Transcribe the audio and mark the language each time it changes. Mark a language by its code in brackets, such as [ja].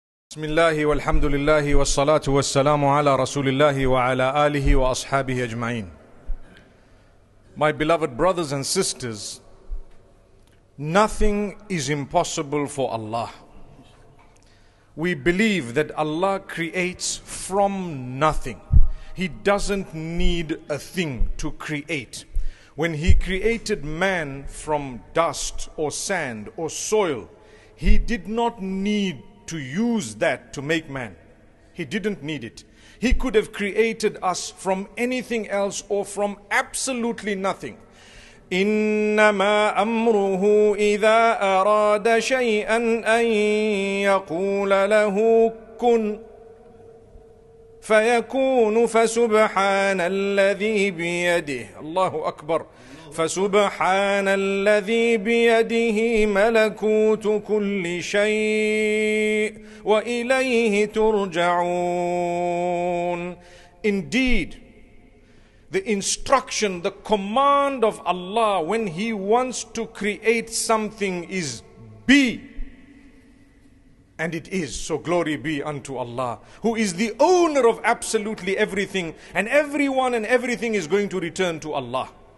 [ar] بسم الله والحمد لله والصلاة والسلام على رسول الله وعلى آله وأصحابه أجمعين. [en] My beloved brothers and sisters, nothing is impossible for Allah. We believe that Allah creates from nothing. He doesn't need a thing to create. When He created man from dust or sand or soil, He did not need to use that to make man. He didn't need it. He could have created us from anything else or from absolutely nothing. [ar] إِنَّمَا أَمْرُهُ إِذَا أَرَادَ شَيْئًا أَن يَقُولَ لَهُ كُنْ فَيَكُونُ فَسُبْحَانَ الَّذِي بِيَدِهِ. الله أكبر. فسبحان الذي بيده ملكوت كل شيء وإليه ترجعون. [en] Indeed, the instruction, the command of Allah when He wants to create something is be, and it is. So glory be unto Allah, who is the owner of absolutely everything, and everyone and everything is going to return to Allah.